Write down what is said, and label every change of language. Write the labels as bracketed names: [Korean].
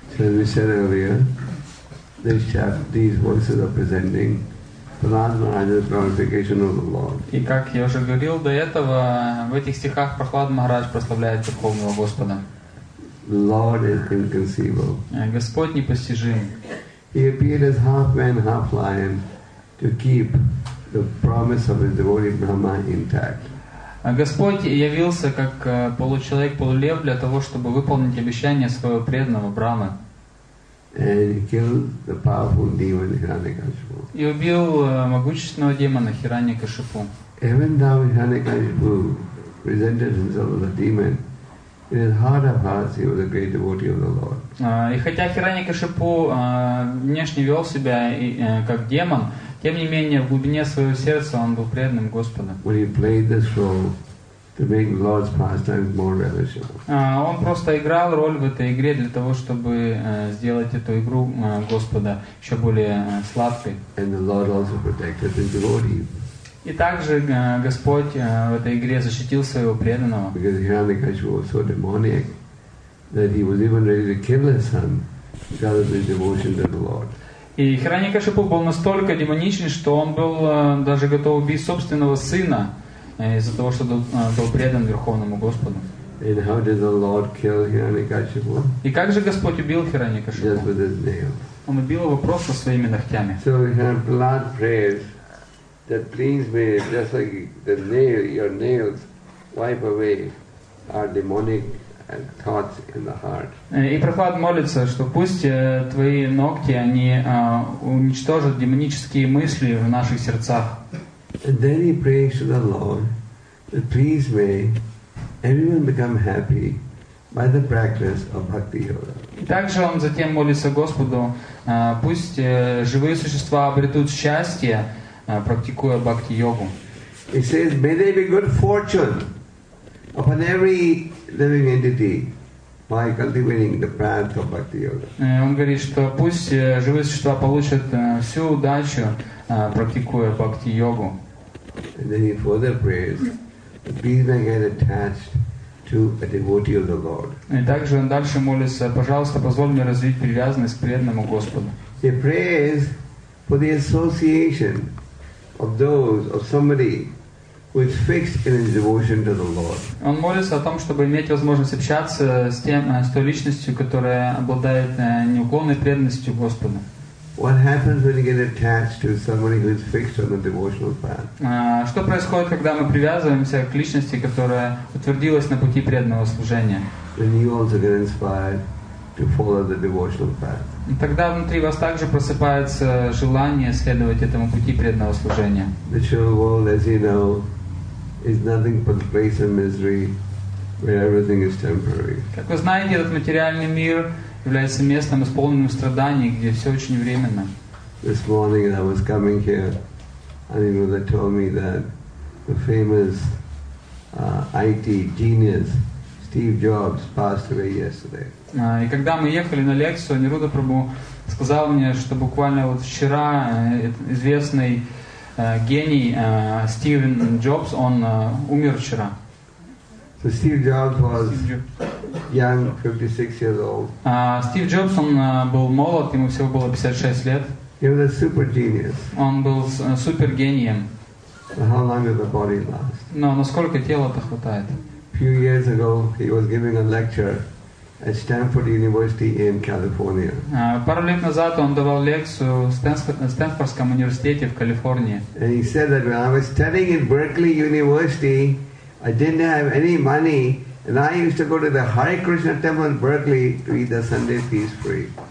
[English] So as we said earlier, this chapter, these verses are presenting Prahlad Maharaj's glorification of the Lord. [Russian] И как я уже говорил до этого, в этих стихах Прахлад Махарадж прославляет Верховного Господа. [English] Lord is inconceivable. [Russian] Господь непостижим. [English] He appeared as half man, half lion to keep the promise of his devotee Brahma intact. [Russian] Господь явился как получеловек, полулев для того, чтобы выполнить обещание своего преданного Брахмы. [English] And he killed the powerful demon Hiranyakashipu. [Russian] И убил могущественного демона Хираньякашипу. [English] Even though Hiranyakashipu presented himself as a demon, in his heart of hearts he was a great devotee of the Lord. [Russian] И хотя Хираньякашипу внешне вел себя как демон, тем не менее, в глубине своего сердца он был преданным Господу. [English] When he played this role to make Lord's pastimes more relishable. [Russian] Он просто играл роль в этой игре для того, чтобы сделать эту игру Господа еще более сладкой. [English] And the Lord also protected his devotee. [Russian] И также Господь в этой игре защитил своего преданного. [English] Because Hiranyakashipu was so demonic that he was even ready to kill his son because of his devotion to the Lord. [Russian] И Хираньякашипу был настолько демоничен, что он был даже готов убить собственного сына из-за того, что был предан Верховному Господу. [English] And how did the Lord kill Hiranyakashipu? [Russian] И как же Господь убил Хиранякашипу? [English] Just with his nail. [Russian] Он убил его просто своими ногтями. [English] So Prahlad prays that please may just like the nail, your nails wipe away our demonic and thoughts in the heart. [Russian] И Прохлад молится, что пусть твои ногти, они уничтожат демонические мысли в наших сердцах. [English] And then he prays to the Lord that please may everyone become happy by the practice of bhakti yoga. [Russian] И также он затем молится Господу, пусть живые существа обретут счастье, практикуя бхакти йогу. [English] He says, may there be good fortune upon every living entity by cultivating the path of bhakti yoga. [Russian] Он говорит, что пусть живые существа получат всю удачу, практикуя бхакти йогу. [English] And then he further prays, please may get attached to a devotee of the Lord. [Russian] И также он дальше молится, пожалуйста, позволь мне развить привязанность к преданному Господу. [English] He prays for the association of those of somebody who is fixed in his devotion to the Lord. [Russian] Он молится о том, чтобы иметь возможность общаться с тем, с той личностью, которая обладает неуклонной преданностью Господу. [English] What happens when you get attached to somebody who is fixed on the devotional path? [Russian] Что происходит, когда мы привязываемся к личности, которая утвердилась на пути преданного служения? [English] Then you also get inspired to follow the devotional path. [Russian] Тогда внутри вас также просыпается желание следовать этому пути преданного служения. [English] The material world, as you know, is nothing but a place of misery where everything is temporary. [Russian] Как вы знаете, этот материальный мир является местом, исполненным страданий, где все очень временно. [English] This morning I was coming here, and you know, they told me that the famous IT genius Steve Jobs passed away yesterday. [Russian] И когда мы ехали на лекцию, Неруда Прабху сказал мне, что буквально вот вчера известный гений Стивен Джобс, он умер вчера. [English] So Steve Jobs was young, 56 years old. [Russian] Steve Jobs, он был молод, ему всего было 56 лет. [English] He was a super genius. [Russian] Он был супер гением. [English] So how long did the body last? [Russian] Но насколько тело-то хватает? [English] Few years ago, he was giving a lecture at Stanford University in California. [Russian] Пару лет назад он давал лекцию в Стэнфордском университете в Калифорнии. [English] And he said that when I was studying in Berkeley University, I didn't have any money, and I used to go to the Hare Krishna temple in Berkeley to eat the Sunday feast free.